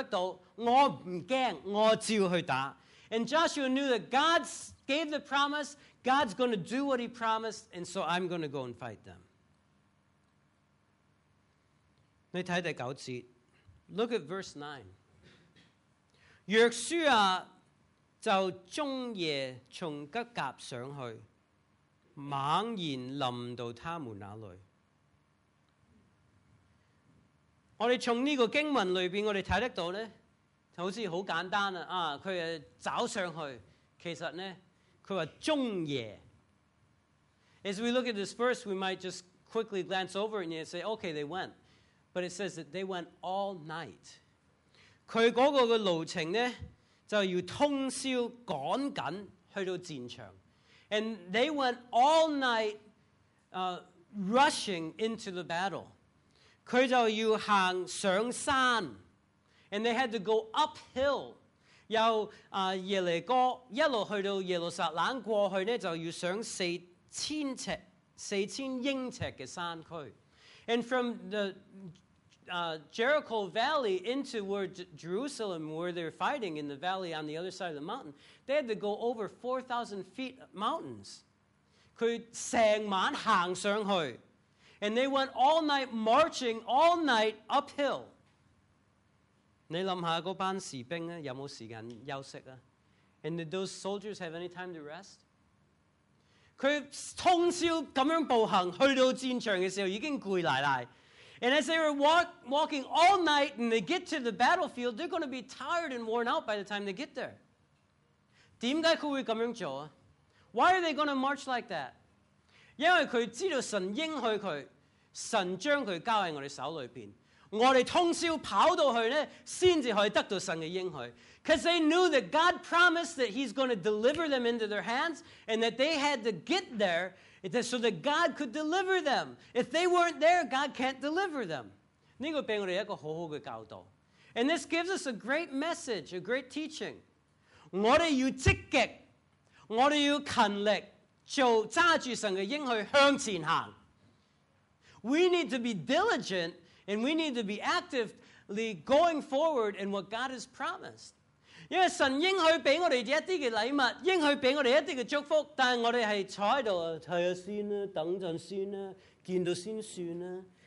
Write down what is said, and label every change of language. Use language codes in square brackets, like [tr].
[zh] 所以约书亚就知道神讲的一定会做得到,我不怕,我照去打。 [en] And Joshua knew that God gave the promise, God's going to do what he promised, and so I'm going to go and fight them. [zh] 你看第九节, [en] look at verse 9. [zh] 约书亚就中夜从吉甲上去,猛然临到他们那里。我们从这个经文里面,我们看得到,好像很简单,他是找上去,其实他是中夜。 [en] As we look at this verse, we might just quickly glance over and say, okay, they went. But it says that they went all night. [zh] 他那个路程呢,就要通宵赶紧去到战场。 [en] And they went all night rushing into the battle. [zh] 他就要行上山, [en] And they had to go uphill. [zh] 由耶利哥一路去到耶路撒冷过去呢，就要上四千英尺嘅山区。 [en] And from the Jericho Valley into where Jerusalem, where they're fighting in the valley on the other side of the mountain, they had to go over 4,000 feet mountains. [zh] 佢成晚行上去。 [en] And they went all night marching, all night uphill. [zh] 你想想那班士兵有没有时间休息啊？ [en] And did those soldiers have any time to rest? [zh] 他通宵这样步行去到战场的时候已经累累累。 [en] And as they were walking all night and they get to the battlefield, they're going to be tired and worn out by the time they get there. [zh] 为什么他会这样做啊？ [en] Why are they going to march like that? [zh] 因为他知道神应许他，神将他交在我们手里面，我们通宵跑到去才可以得到神的应许。 [en] Because they knew that God promised that he's going to deliver them into their hands, and that they had to get there so that God could deliver them. If they weren't there, God can't deliver them. [zh] 这个给我们一个很好的教导。 [en] And this gives us a great message, a great teaching. [zh] 我们要积极，我们要勤力，就揸住神嘅应许向前行。 [en] We need to be diligent and we need to be actively going forward in what God has promised. [zh] 因为神应许俾我哋一啲嘅礼物，应许俾我哋一啲嘅祝福，但系我哋系坐喺度睇下先啦，等阵先啦，见到先算啦。